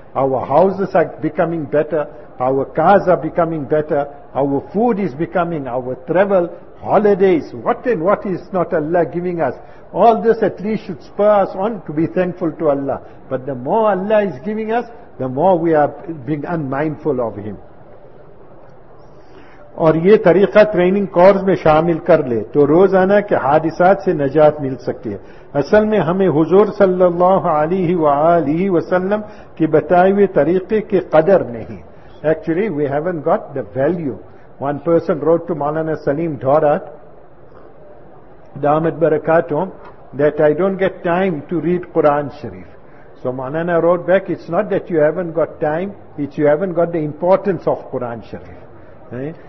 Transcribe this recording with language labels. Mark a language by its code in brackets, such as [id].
[en] Our houses are becoming better. Our cars are becoming better. Our food is becoming, our travel, holidays, what and what is not Allah giving us. All this at least should spur us on to be thankful to Allah. But the more Allah is giving us, the more we are being unmindful of Him. [ur] اور یہ طریقہ training course میں شامل کر لے تو روزانہ کے حادثات سے نجات مل سکتی ہے. اصل میں ہمیں حضور صلی اللہ علیہ وآلہ وسلم کی بتائی ہوئے طریقے کی قدر نہیں. [en] Actually, we haven't got the value. One person wrote to Maulana Salim Dhorat, Damat Barakatum, that I don't get time to read Quran Sharif. So Maulana wrote back, it's not that you haven't got time, it's you haven't got the importance of Quran Sharif.